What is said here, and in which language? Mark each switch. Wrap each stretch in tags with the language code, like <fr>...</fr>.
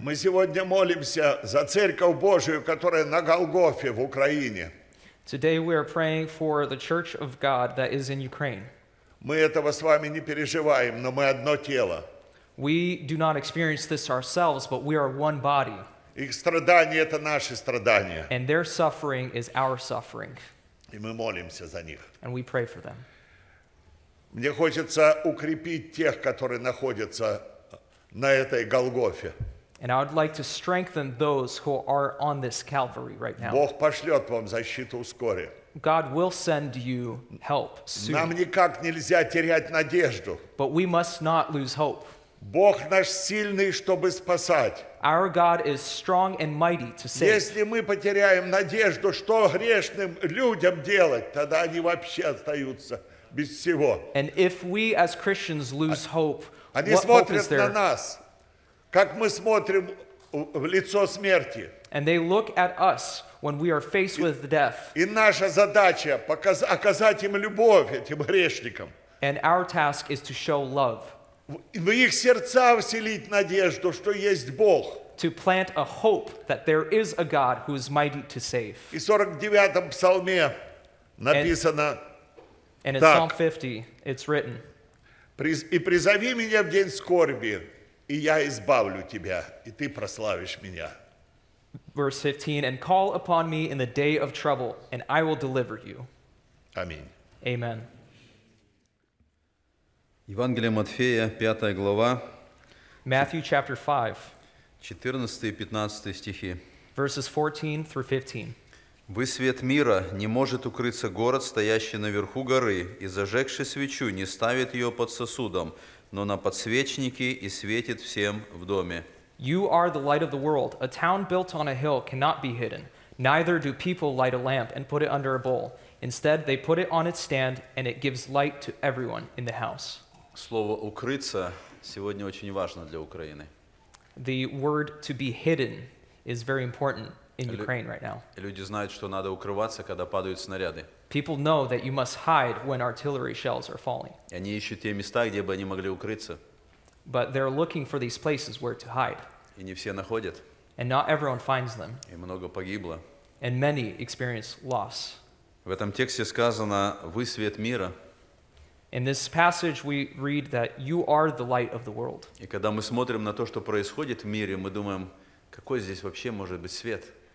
<ru>Мы сегодня молимся за Церковь Божию, которая на Голгофе в Украине.</ru> <en>Today we are praying for the Church of God that is in Ukraine.</en> <ru>Мы этого с вами не переживаем, но мы одно тело.</ru> <en>We do not experience this ourselves, but we are one body.</en> <ru>Их страдания — это наши страдания.</ru> <en>And their suffering is our suffering.</en> <ru>И мы молимся за них.</ru> <en>And we pray for them.</en> <ru>Мне хочется укрепить тех, которые находятся на этой Голгофе.</ru> <en>And I would like to strengthen those who are on this Calvary right now.</en> <ru>Бог пошлет вам защиту вскоре.</ru> <en>God will send you help soon.</en> <ru>Нам никак нельзя терять надежду.</ru> <en>But we must not lose hope.</en> <ru>Бог наш сильный, чтобы спасать.</ru> <en>Our God is strong and mighty to save.</en> <ru>Если мы потеряем надежду, что грешным людям делать, тогда они вообще остаются без всего.</ru> <en>And if we as Christians lose hope,</en> <ru>они смотрят на нас, как мы смотрим в лицо смерти.</ru> <en>And they look at us when we are faced with death.</en> <ru>И наша задача оказать им любовь, этим грешникам.</ru> <en>And our task is to show love.</en> <ru>В их сердца вселить надежду, что есть Бог.</ru> <en>To plant a hope that there is a God who is mighty to save.</en> <ru>И в 49-м псалме написано</ru> <en>and так. In Psalm 50, it's written.</en> <ru>И призови меня в день скорби, и я избавлю тебя, и ты прославишь меня.</ru> <en>Verse 15, and call upon me in the day of trouble, and I will deliver you.</en> <ru>Аминь.</ru> <en>Amen.</en> <ru>Евангелие Матфея, 5 глава,</ru> <en>Matthew chapter 5,</en> <ru>14 и 15 стихи.</ru> <en>Verses 14 through 15.</en> <ru>«Вы свет мира, не может укрыться город, стоящий наверху горы, и зажегший свечу не ставит ее под сосудом, но на подсвечнике и светит всем в доме».</ru> <en>You are the light of the world. A town built on a hill cannot be hidden. Neither do people light a lamp and put it under a bowl. Instead, they put it on its stand, and it gives light to everyone in the house.</en> <ru>Слово «укрыться» сегодня очень важно для Украины.</ru> <en>The word to be hidden is very important in Ukraine right now.</en> <ru>Люди знают, что надо укрываться, когда падают снаряды.</ru> <en>People know that you must hide when artillery shells are falling.</en> <ru>И они ищут те места, где бы они могли укрыться.</ru> <en>But they're looking for these places where to hide.</en> <ru>И не все находят.</ru> <en>And not everyone finds them.</en> <ru>И много погибло.</ru> <en>And many experience loss.</en> <ru>В этом тексте сказано: «Вы свет мира».</ru> <en>In this passage, we read that you are the light of the world.</en> <ru>И когда мы смотрим на то, что происходит в мире, мы думаем, какой здесь вообще может быть свет?</ru>